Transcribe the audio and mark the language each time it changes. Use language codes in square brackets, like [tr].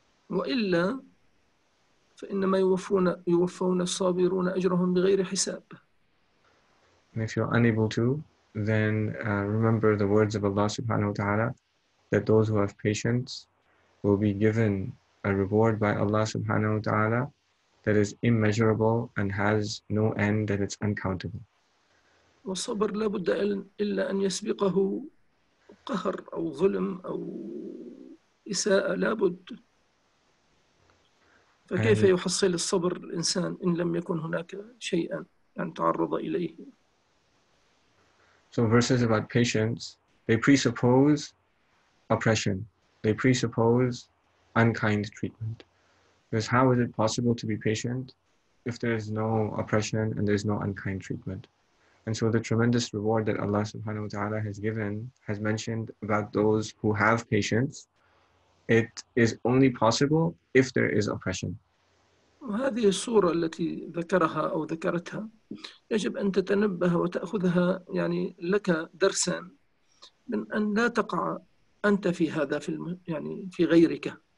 [ar] وإلا فإنما يوفون الصابرون أجرهم بغير حساب. [en] And if you're unable to, then remember the words of Allah subhanahu wa ta'ala, that those who have patience will be given a reward by Allah subhanahu wa ta'ala that is immeasurable and has no end, that it's uncountable. [ar] والصبر لابد إلا أن يسبقه قهر أو ظلم أو إساءة لابد. فكيف يحصل الصبر الإنسان إن لم يكن هناك شيئا أن تعرض إليه؟ [en] So verses about patience, they presuppose oppression. They presuppose unkind treatment. Because how is it possible to be patient if there is no oppression and there is no unkind treatment? And so the tremendous reward that Allah subhanahu wa ta'ala has given, has mentioned about those who have patience, it is only possible if there is oppression. [ar] وهذه الصورة التي ذكرها أو ذكرتها يجب أن تتنبه وتأخذها يعني لك درسا من أن لا تقع أنت في هذا في يعني في غيرك.